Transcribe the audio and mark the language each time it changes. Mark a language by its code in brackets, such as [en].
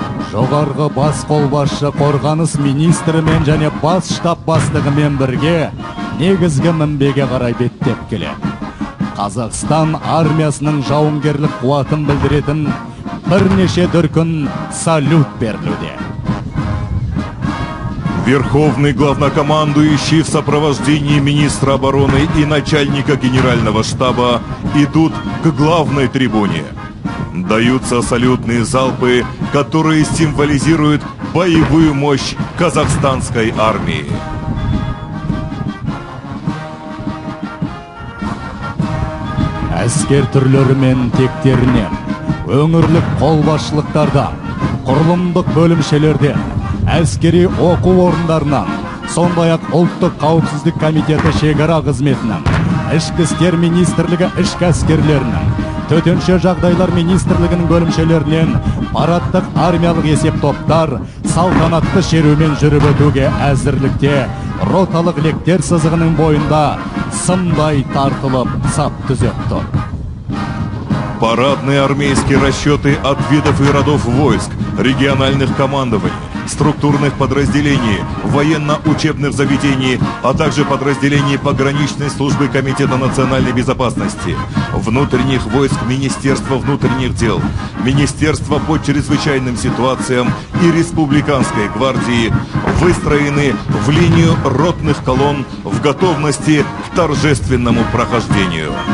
[kk] Жоғарғы бас қолбасшы қорғаныс министрімен және бас штаб бастығымен бірге негізгі мінбеге қарай беттеп келеді. Қазақстан армиясының жауынгерлік қуатын білдіретін бірнеше дүркін салют берілуде. [ru] Верховный главнокомандующий в сопровождении министра обороны и начальника генерального штаба идут к главной трибуне. Даются салютные залпы, которые символизируют боевую мощь казахстанской армии. [kk] Әскер түрлерімен тектерінен, өңірлік қолбасшылықтарда, құрылымдық бөлімшелерде, әскери оқу орындарынан, сондай-ақ ұлттық қауіпсіздік комитеті шекара қызметінің, ішкі істер министрлігі ішкі әскерлерінің, төтенше жағдайлар министрлігінің бөлімшелерінен парадтық армиялық есеп топтар салтанатты шерумен жүріп өтуге әзірлікте. Роталық лектер сызығының бойында сымдай тартылып сап түзеп тұр. [ru] Парадные армейские расчеты от видов и родов войск, региональных командований, структурных подразделений, военно-учебных заведений, а также подразделений пограничной службы Комитета национальной безопасности, внутренних войск Министерства внутренних дел, Министерства по чрезвычайным ситуациям и Республиканской гвардии выстроены в линию ротных колонн в готовности к торжественному прохождению.